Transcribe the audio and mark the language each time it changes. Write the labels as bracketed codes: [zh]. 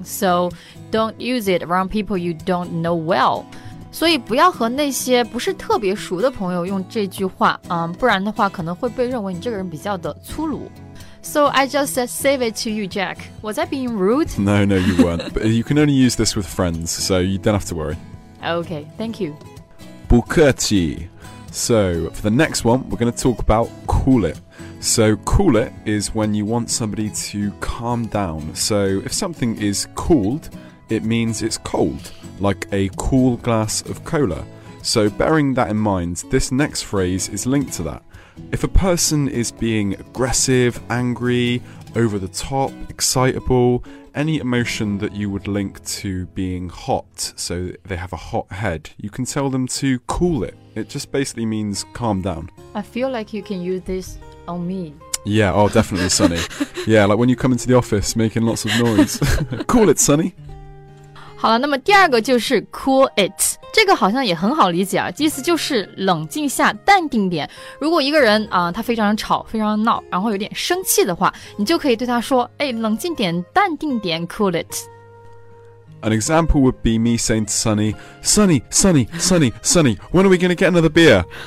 [en] So don't use it around people you don't know well. [zh] 所以不要和那些不是特别熟的朋友用这句话，不然的话可能会被认为你这个人比较的粗鲁。 [en] So I just said save it to you, Jack. Was I being rude? No, you weren't. But you can only use this with friends, so you don't have to worry. Okay, thank you. [zh] 不客气。 [en] So for the next one, we're going to talk about cool it. So cool it is when you want somebody to calm down. So if something is cooled, it means it's cold. Like a cool glass of cola. So bearing that in mind, this next phrase is linked to that. If a person is being aggressive, angry, over the top, excitable, any emotion that you would link to being hot, so they have a hot head, you can tell them to cool it. It just basically means calm down. I feel like you can use this on me. Yeah, oh, definitely, Sunny. Yeah, like when you come into the office making lots of noise. Cool it, Sunny. [zh] 好了，那么第二个就是 cool it， 这个好像也很好理解啊，意思就是冷静下，淡定点。如果一个人他非常吵，非常闹，然后有点生气的话，你就可以对他说，哎，冷静点，淡定点， cool it。 [en] An example would be me saying to Sunny, when are we going to get another beer?